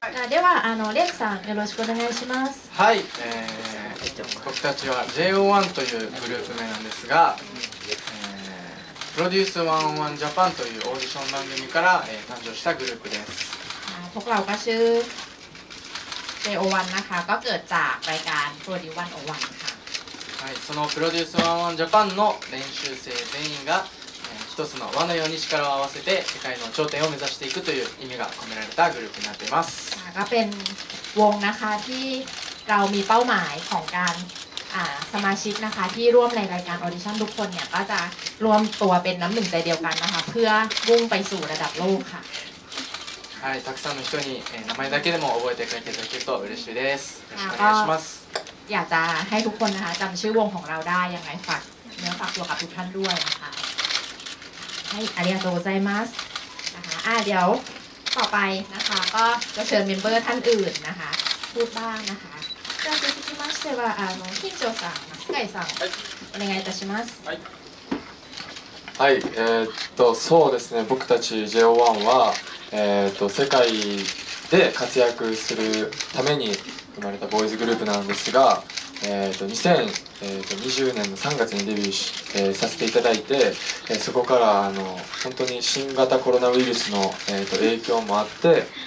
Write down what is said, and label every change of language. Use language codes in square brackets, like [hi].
[ja] では、レイクさん、よろしくお願いします。はい、僕たちは JO1 というグループ名なんですが、プロデュース101ジャパンというオーディション番組から、誕生したグループです。僕らが知る JO1 なんか、 [th] ก็เกิดจากรายการプロデュース101ค่ะ。 [ja] はい、そのプロデュース101ジャパンの練習生全員が、一つの輪のように力を合わせて世界の頂点を目指していくという意味が込められたグループになっています。 [th] ก็เป็นวงนะคะที่เรามีเป้าหมายของการสมาชิกนะคะที่ร่วมในรายการออดิชั่นทุกคนเนี่ยก็จะรวมตัวเป็นน้ำหนึ่งใจเดียวกันนะคะเพื่อมุ่งไปสู่ระดับโลกค่ะ [ja] はい、たくさんの人に名前だけでも覚えていただけると嬉しいです。よろしくお願いします。 [th] อยากจะให้ทุกคนนะคะจำชื่อวงของเราได้ยังไงฝากเนื้อฝากตัวกับทุกท่านด้วยนะคะ [ja] はい、ありがとうございます。なかあ、では、次回、なかが、呼ぶメンバー、他の人、なか、呼ぶ番、なか。じゃあ続きましては、店長さん、須貝さん、お願いいたします。はい。はい、そうですね。僕たち JO1 は、世界で活躍するために生まれたボーイズグループなんですが、2020年の3月にデビューし、させていただいて、そこから本当に新型コロナウイルスの、影響もあって、